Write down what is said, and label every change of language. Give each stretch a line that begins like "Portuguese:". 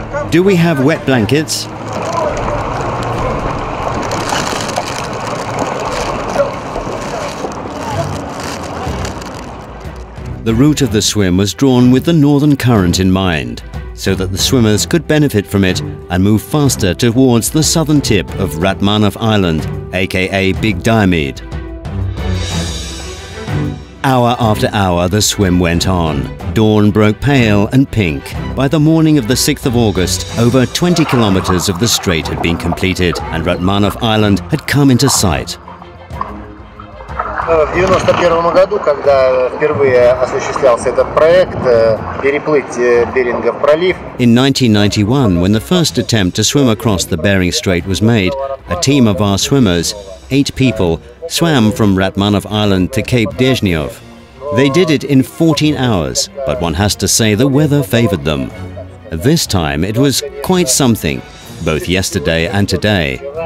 English: Do we have wet blankets? The route of the swim was drawn with the northern current in mind, so that the swimmers could benefit from it and move faster towards the southern tip of Ratmanov Island, aka Big Diomede. Hour after hour, the swim went on. Dawn broke pale and pink. By the morning of the 6th of August, over 20 kilometers of the strait had been completed and Ratmanov Island had come into sight.
Russian: В 91 году, когда впервые осуществлялся этот проект переплыть Берингов пролив.
English: In 1991, when the first attempt to swim across the Bering Strait was made, a team of our swimmers, 8 people, swam from Ratmanov Island to Cape Dezhniov. They did it in 14 hours, but one has to say the weather favored them. This time it was quite something, both yesterday and today.